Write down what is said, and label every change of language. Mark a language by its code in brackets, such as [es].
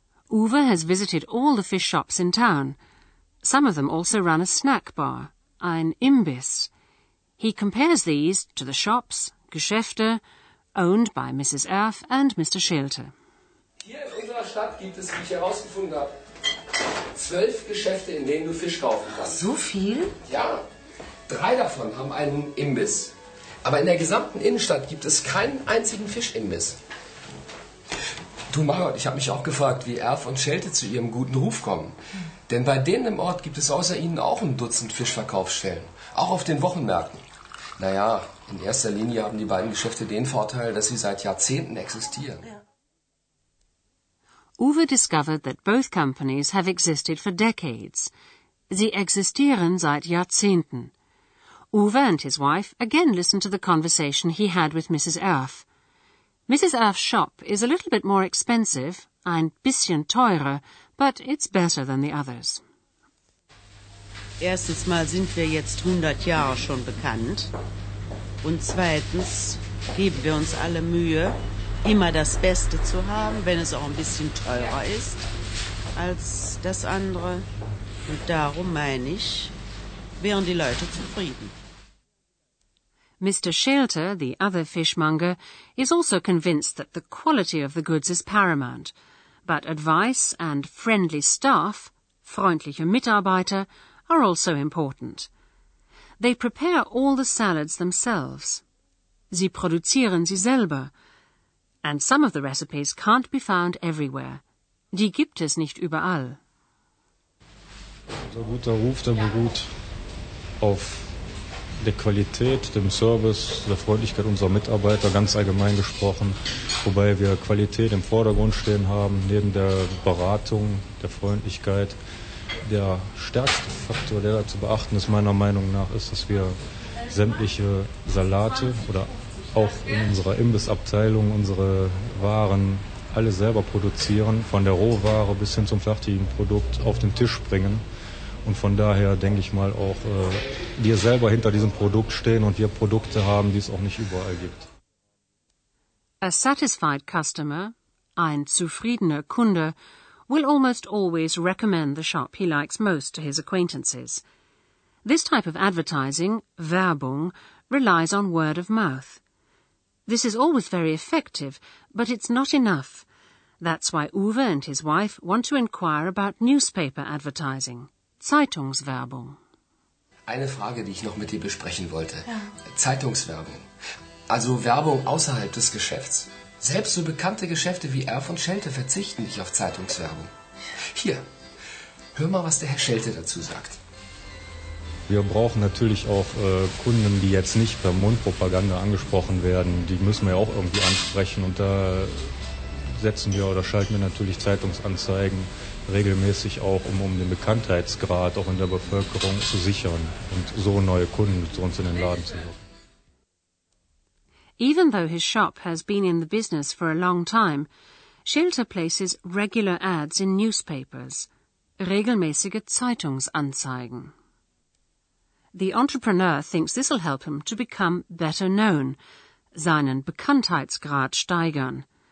[en] Uwe has visited all the fish shops in town. Some of them also run a snack bar, [de] ein Imbiss. [en] He compares these to the shops, Geschäfte, owned by Mrs. Erf and Mr. Schilte. [de] Hier in unserer Stadt gibt es, wie ich herausgefunden habe, 12 Geschäfte, in denen du Fisch kaufen kannst. So viel? Ja, 3 davon haben einen Imbiss. Aber in der gesamten Innenstadt gibt es keinen einzigen Fischimbiss. Du, Margot, ich habe mich auch gefragt, wie Erf und Schelte zu ihrem guten Ruf kommen. Denn bei denen im Ort gibt es außer ihnen auch ein Dutzend Fischverkaufsstellen. Auch auf den Wochenmärkten. Naja, in erster Linie haben die beiden Geschäfte den Vorteil, dass sie seit Jahrzehnten existieren. Ja. [en] Uwe discovered that both companies have existed for decades. [de] Sie existieren seit Jahrzehnten. [en] Uwe and his wife again listened to the conversation he had with Mrs. Erf. Mrs. Erf's shop is a little bit more expensive, [de] ein bisschen teurer, [en] but it's better than the others. [de] Erstens mal sind wir jetzt 100 Jahre schon bekannt. Und zweitens geben wir uns alle Mühe, immer das Beste zu haben, wenn es auch ein bisschen teurer ist als das andere. Und darum meine ich, wären die Leute zufrieden. [en] Mr. Schilter, the other fishmonger, is also convinced that the quality of the goods is paramount, but advice and friendly staff, [de] freundliche Mitarbeiter, [en] are also important. They prepare all the salads themselves. [de] Sie produzieren sie selber. [en] And some of the recipes can't be found everywhere. [de] Die gibt es nicht überall. Der gute Ruf, der beruht auf der Qualität, dem Service, der Freundlichkeit unserer Mitarbeiter, ganz allgemein gesprochen, wobei wir Qualität im Vordergrund stehen haben, neben der Beratung, der Freundlichkeit. Der stärkste Faktor, der da zu beachten ist, meiner Meinung nach, ist, dass wir sämtliche Salate oder auch in unserer Imbissabteilung unsere Waren alle selber produzieren, von der Rohware bis hin zum fertigen Produkt auf den Tisch bringen. Und von daher denke ich mal auch, wir selber hinter diesem Produkt stehen und wir Produkte haben, die es auch nicht überall gibt. [en] A satisfied customer, [de] ein zufriedener Kunde, [en] will almost always recommend the shop he likes most to his acquaintances. This type of advertising, Werbung, relies on word of mouth. This is always very effective, but it's not enough. That's why Uwe and his wife want to inquire about newspaper advertising. [de] Zeitungswerbung. Eine Frage, die ich noch mit dir besprechen wollte. Ja. Zeitungswerbung. Also Werbung außerhalb des Geschäfts. Selbst so bekannte Geschäfte wie Erf und Schelte verzichten nicht auf Zeitungswerbung. Hier, hör mal, was der Herr Schelte dazu sagt. Wir brauchen natürlich auch Kunden, die jetzt nicht per Mundpropaganda angesprochen werden. Die müssen wir ja auch irgendwie ansprechen. Und da setzen wir oder schalten wir natürlich Zeitungsanzeigen regelmäßig auch, um den Bekanntheitsgrad auch in der Bevölkerung zu sichern und so neue Kunden zu uns in den Laden zu bringen. [en] Even though his shop has been in the business for a long time, Schilter places regular ads in newspapers, [de] regelmäßige Zeitungsanzeigen. [en] The entrepreneur thinks this will help him to become better known, [de] seinen Bekanntheitsgrad steigern.